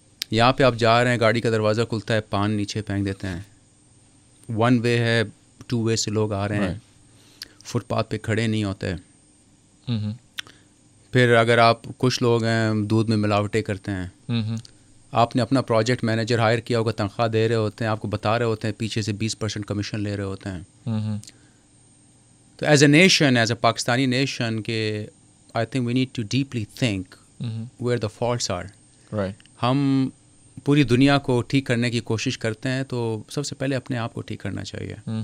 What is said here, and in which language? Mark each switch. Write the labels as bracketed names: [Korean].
[Urdu] یہاں پہ آپ جا رہے ہیں گاڑی کا دروازہ کھلتا ہے پان نیچے پھینک دیتے ہیں, ون وے ہے ٹو وے سے لوگ آ رہے ہیں, فٹ پاتھ پہ کھڑے نہیں ہوتے. پھر اگر آپ کچھ لوگ ہیں دودھ میں ملاوٹیں کرتے ہیں, آپ نے اپنا پروجیکٹ مینیجر ہائر کیا ہوگا, تنخواہ دے رہے ہوتے ہیں, آپ کو بتا رہے ہوتے ہیں, پیچھے سے 20% کمیشن لے رہے ہوتے ہیں. [English] تو as a nation, as a Pakistani nation, کہ I think we need to deeply think where the faults are, right? [Urdu] ہم پوری دنیا کو ٹھیک کرنے کی کوشش کرتے ہیں تو سب سے پہلے اپنے آپ کو ٹھیک کرنا چاہیے.